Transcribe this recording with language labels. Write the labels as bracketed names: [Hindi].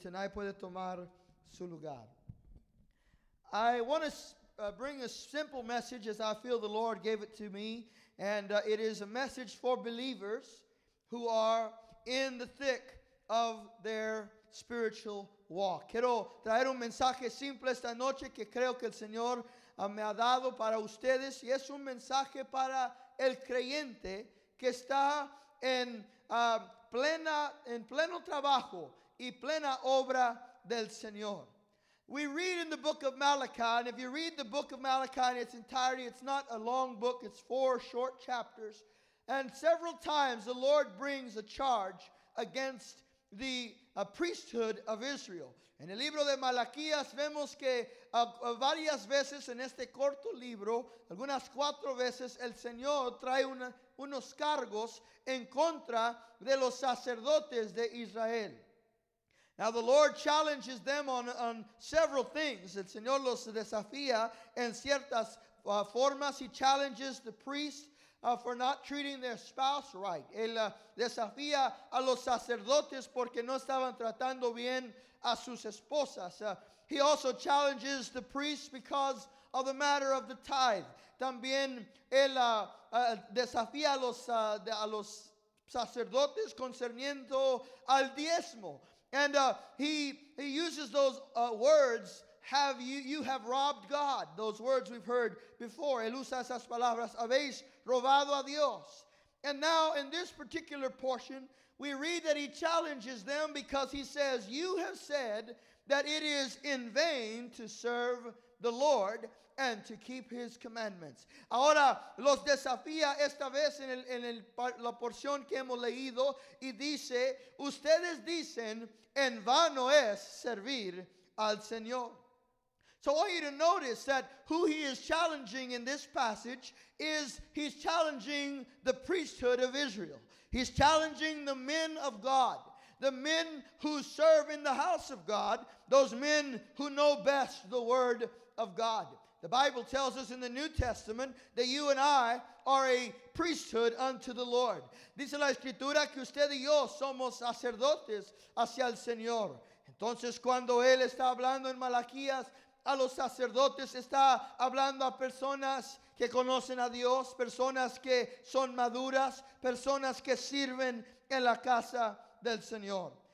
[English] Tonight, [Spanish] puede tomar su lugar. [English] I want to bring a simple message as I feel the Lord gave it to me. And it is a message for believers who are in the thick of their spiritual walk. [Spanish] Quiero traer un mensaje simple esta noche que creo que el Señor me ha dado para ustedes. Y es un mensaje para el creyente que está en pleno trabajo y plena obra del Señor. [English] We read in the book of Malachi, and if you read the book of Malachi in its entirety, it's not a long book, it's four short chapters. And several times the Lord brings a charge against the priesthood of Israel. [Spanish] En el libro de Malaquías vemos que varias veces en este corto libro, algunas cuatro veces, el Señor trae unos cargos en contra de los sacerdotes de Israel. [English] Now the Lord challenges them on several things. [Spanish] El Señor los desafía en ciertas formas. [English] He challenges the priests for not treating their spouse right. [Spanish] Él desafía a los sacerdotes porque no estaban tratando bien a sus esposas. [English] He also challenges the priests because of the matter of the tithe. [Spanish] También él desafía a los sacerdotes concerniendo al diezmo. [English] And he uses those words, you have robbed God. Those words we've heard before. [Spanish] Él usa esas palabras, habéis robado a Dios. [English] And now in this particular portion, we read that he challenges them because he says, "You have said that it is in vain to serve the Lord and to keep his commandments." [Spanish] Ahora los desafía esta vez en la porción que hemos leído y dice, "Ustedes dicen, en vano es servir al Señor." [English] So I want you to notice that who he is challenging in this passage is he's challenging the priesthood of Israel. He's challenging the men of God. The men who serve in the house of God, those men who know best the word of God. The Bible tells us in the New Testament that you and I are a priesthood unto the Lord. [Spanish] Dice la Escritura que usted y yo somos sacerdotes hacia el Señor. Entonces, cuando él está hablando en Malaquías a los sacerdotes, está hablando a personas que conocen a Dios, personas que son maduras, personas que sirven en la casa del Señor.